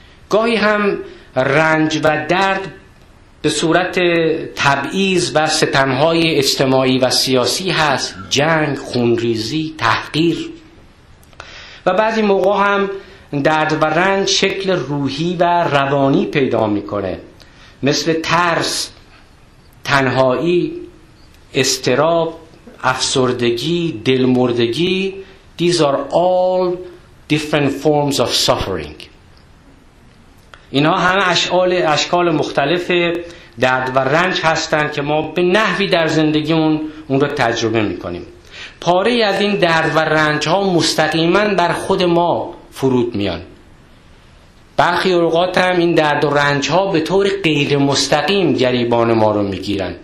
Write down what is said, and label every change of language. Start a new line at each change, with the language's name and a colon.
Persian: گاهی هم رنج و درد به صورت تبعیض و ستمهای اجتماعی و سیاسی هست، جنگ، خونریزی، تحقیر. و بعضی موقع هم درد و رنج شکل روحی و روانی پیدا میکنه، مثل ترس، تنهایی، استراب، افسردگی، دلمردگی.
English: These are all different forms of suffering.
Persian: اینا همه اشکال مختلف درد و رنج هستن که ما به نحوی در زندگیمون اون رو تجربه میکنیم. پاره از این درد و رنج ها مستقیماً بر خود ما فرود میان. برخی اوقات هم این درد و رنج ها به طور غیر مستقیم گریبان ما رو میگیرن.